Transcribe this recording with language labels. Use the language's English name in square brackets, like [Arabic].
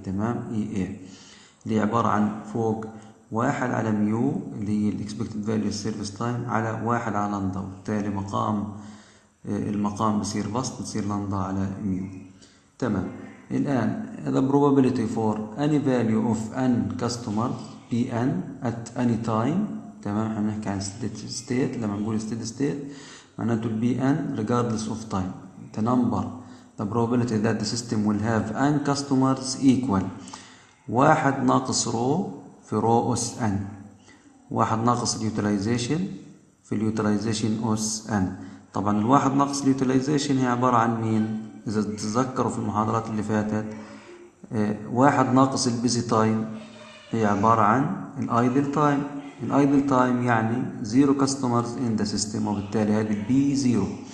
[Arabic] تمام، EA اللي عبارة عن فوق 1 على ميو اللي هي الـ expected value السيرفيس تايم على 1 على لندا، وبالتالي المقام بصير بسط، بصير لندا على ميو. [English] تمام. الآن the probability for any value of n customer pn at any time. [Arabic] تمام، احنا نحكي عن steady state. لما نقول steady state معناته pn regardless of time. [English] The number, the probability that the system will have n customers equal 1 [Arabic] ناقص رو في رو اس n، [English] 1 ناقص utilization في utilization اس n. [Arabic] طبعا الواحد ناقص اليوتيلايزيشن هي عبارة عن مين؟ اذا تتذكروا في المحاضرات اللي فاتت، واحد ناقص البيزي تايم هي عبارة عن الايدل تايم. الايدل تايم يعني [English] zero customers in the system, [Arabic] وبالتالي هذه البي زيرو.